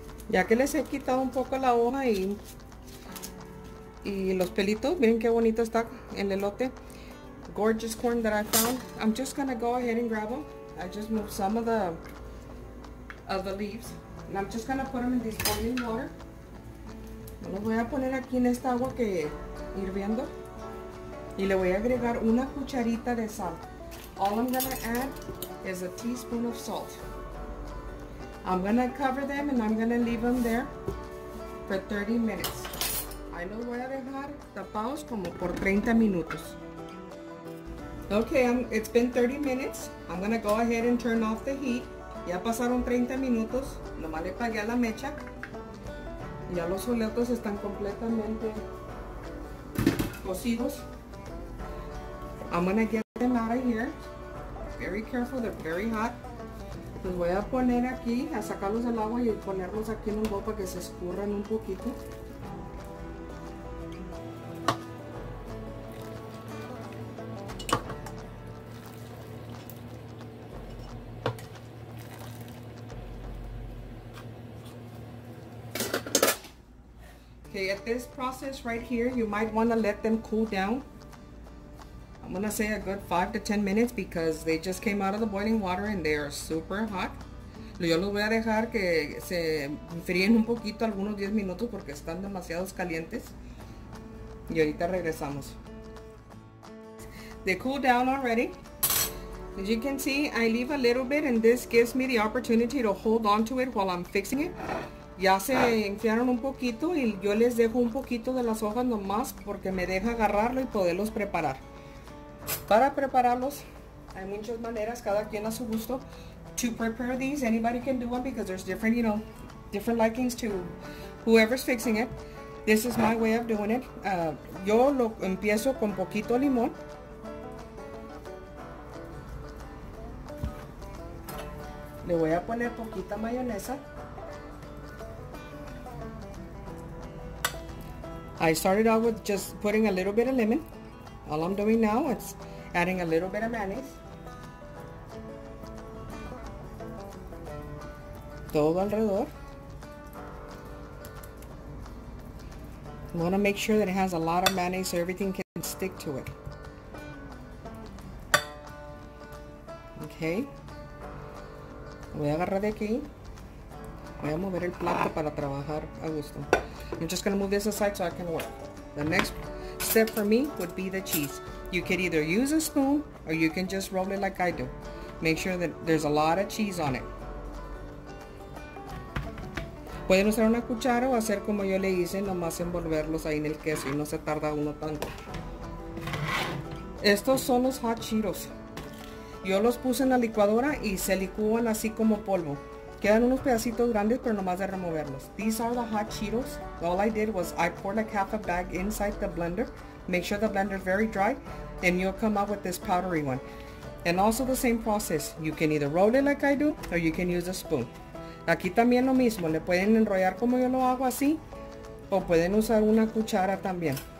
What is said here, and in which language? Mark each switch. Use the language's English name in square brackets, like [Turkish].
[Spanish] Ya que les he quitado un poco la hoja y los pelitos, miren qué bonito está el elote. [English] Gorgeous corn that I found. I'm just gonna go ahead and grab them. I just moved some of the leaves. And I'm just gonna put them in this boiling water. [Spanish] Los voy a poner aquí en esta agua que hirviendo. Y le voy a agregar una cucharita de sal. [English] All I'm gonna add is a teaspoon of salt. I'm gonna cover them and I'm gonna leave them there for 30 minutes. [Spanish] Ahí los voy a dejar tapados como por 30 minutos. [English] Okay, it's been 30 minutes. I'm gonna go ahead and turn off the heat. [Spanish] Ya pasaron 30 minutos. Nomás le pagué a la mecha. Ya los elotes están completamente cocidos. [English] I'm gonna get them out of here. Very careful, they're very hot. [Spanish] Los voy a poner aquí, a sacarlos del agua y ponerlos aquí en un bowl para que se escurran un poquito. [English] Okay, at this process right here, you might want to let them cool down. I'm gonna say a good 5 to 10 minutes because they just came out of the boiling water and they are super hot. [Spanish] Yo los voy a dejar que se enfríen un poquito, algunos 10 minutos porque están demasiado calientes. Y ahorita regresamos. [English] They cooled down already. As you can see, I leave a little bit and this gives me the opportunity to hold on to it while I'm fixing it. [Spanish] Ya se enfriaron un poquito y yo les dejo un poquito de las hojas nomás porque me deja agarrarlo y poderlos preparar. Para prepararlos, hay muchas maneras, cada quien a su gusto. [English] To prepare these, anybody can do one because there's different, you know, different likings to whoever's fixing it. This is my way of doing it. [Spanish] Yo lo empiezo con poquito limón. Le voy a poner poquita mayonesa. [English] I started out with just putting a little bit of lemon. All I'm doing now is adding a little bit of mayonnaise. [Spanish] Todo alrededor. [English] You want to make sure that it has a lot of mayonnaise so everything can stick to it. [Spanish] Voy a agarrar de aquí. Voy a mover el plato para trabajar a gusto. [English] I'm just going to move this aside so I can work. The next step for me would be the cheese. You could either use a spoon or you can just roll it like I do. Make sure that there's a lot of cheese on it. [Spanish] Pueden usar una cuchara o hacer como yo le hice, nomás envolverlos ahí en el queso y no se tarda uno tanto. Estos son los hot Cheetos. Yo los puse en la licuadora y se licúan así como polvo. Quedan unos pedacitos grandes, pero nomás de removerlos. [English] These are the hot Cheetos. All I did was I poured like half a bag inside the blender. Make sure the blender is very dry, and you'll come out with this powdery one. And also the same process. You can either roll it like I do, or you can use a spoon. [Spanish] Aquí también lo mismo. Le pueden enrollar como yo lo hago así, o pueden usar una cuchara también.